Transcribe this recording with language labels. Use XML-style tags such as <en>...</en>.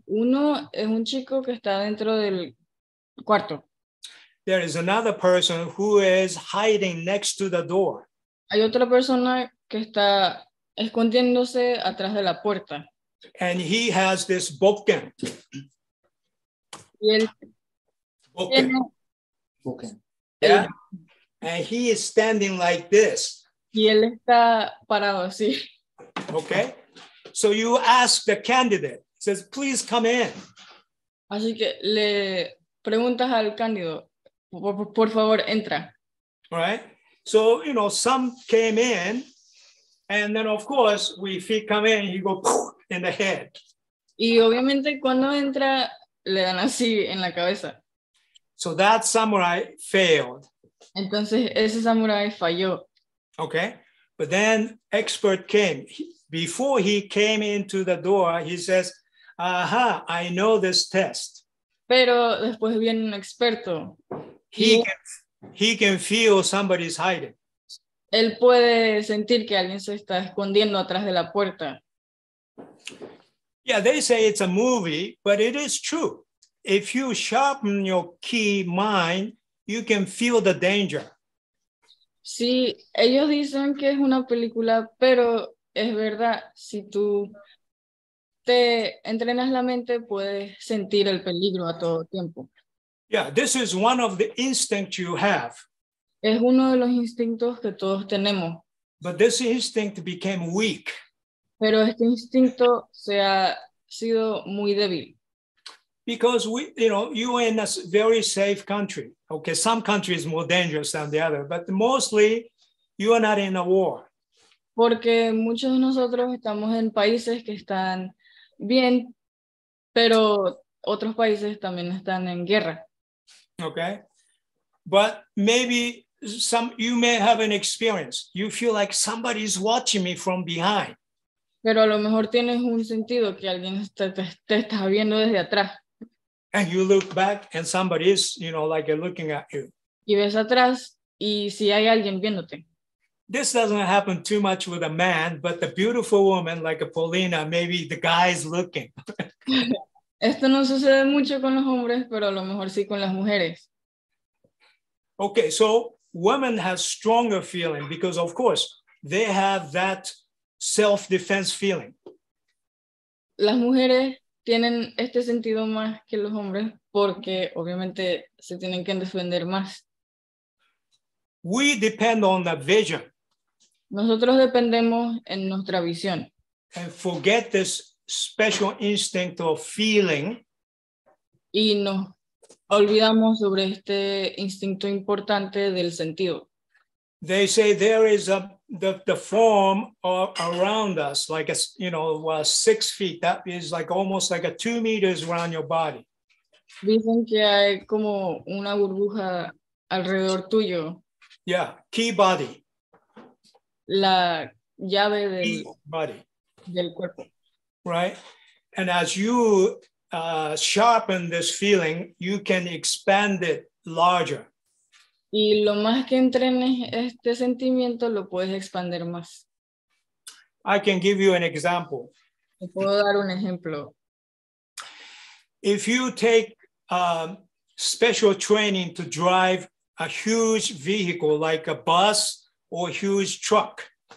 <es>Uno es un chico que está dentro del cuarto.</es> <en>There is another person who is hiding next to the door.</en> <es>Hay otra persona que está escondiéndose atrás de la puerta.</es> <en>And he has this bokken.</en> <es>Y él</es> <ja>bokken. Bokken.</ja> <en>Yeah. And he is standing like this.</en> <es>Y él está parado así.</es> <en>Okay. So you ask the candidate, says, please come in.</en> <es>Así que le preguntas al candidato, por favor, entra.</es> <en>Right. So, you know, some came in, and then, of course, we feel come in, he goes in the head.</en> <es>Y obviamente, cuando entra, le dan así en la cabeza.</es> <en>So that samurai failed.</en> <es>Entonces, ese samurai falló.</es> <en>Okay. But then, expert came. Before he came into the door, he says, aha, I know this test.</en> <es>Pero después viene un experto.</es> <en>He can feel somebody's hiding.</en> <es>Él puede sentir que alguien se está escondiendo atrás de la puerta.</es> <en>Yeah, they say it's a movie, but it is true. If you sharpen your key mind, you can feel the danger.</en> <es>Sí, ellos dicen que es una película, pero es verdad, si tú te entrenas la mente, puedes sentir el peligro a todo tiempo.</es> <en>Yeah, this is one of the instincts you have.</en> <es>Es uno de los instintos que todos tenemos.</es> <en>But this instinct became weak.</en> <es>Pero este instinto se ha sido muy débil.</es> <en>Because you are in a very safe country. Okay, some countries more dangerous than the other, but mostly you are not in a war.</en> <es>Porque muchos de nosotros estamos en países que están bien, pero otros países también están en guerra.</es> <en>Okay, but maybe you may have an experience. You feel like somebody is watching me from behind.</en> <es>Pero a lo mejor tienes un sentido que alguien te está viendo desde atrás.</es> <en>And you look back and somebody is, looking at you.</en> <es>Y ves atrás y si hay alguien viéndote.</es> <en>This doesn't happen too much with a man, but the beautiful woman like a Paulina, maybe the guy is looking.</en> <es>Esto no sucede mucho con los hombres, pero a lo mejor sí con las mujeres.</es> <en>Okay, so women have stronger feeling because, of course, they have that self-defense feeling.</en> <es>Las mujeres tienen este sentido más que los hombres porque obviamente se tienen que defender más.</es> <en>We depend on the vision.</en> <es>Nosotros dependemos en nuestra visión.</es> <en>And forget this special instinct of feeling.</en> <es>Y nos olvidamos sobre este instinto importante del sentido.</es> <en>They say there is the form of around us, like, a 6 feet. That is like almost like a 2 meters around your body.</en> <es>Dicen que hay como una burbuja alrededor tuyo.</es> <en>Yeah, key body.</en> <es>La llave del</es> <en>key body.</en> <es>Del cuerpo.</es> <en>Right? And as you sharpen this feeling, you can expand it larger.</en> <es>Y lo más que entrenes este sentimiento, lo puedes expandir más.</es> <en>I can give you an example.</en> <es>Te puedo dar un ejemplo.</es> <en>If you take special training to drive a huge vehicle like a bus or a huge truck.</en>